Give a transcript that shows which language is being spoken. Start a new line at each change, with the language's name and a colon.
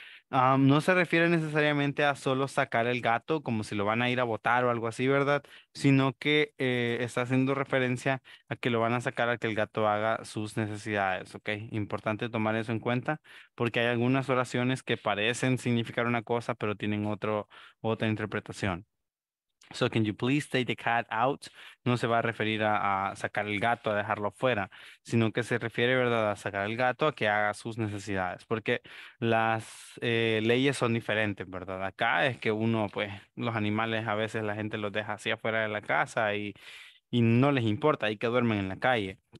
Spanish: No se refiere necesariamente a solo sacar el gato, como si lo van a ir a botar o algo así, ¿verdad? Sino que está haciendo referencia a que lo van a sacar a que el gato haga sus necesidades, ¿ok? Importante tomar eso en cuenta, porque hay algunas oraciones que parecen significar una cosa, pero tienen otra interpretación.
English: So, can you please take the cat out?
Spanish: No se va a referir a sacar el gato, a dejarlo fuera, sino que se refiere, ¿verdad?, a sacar el gato a que haga sus necesidades, porque las leyes son diferentes, ¿verdad? Acá es que uno, pues, los animales a veces la gente los deja así afuera de la casa y no les importa, ahí que duermen en la calle.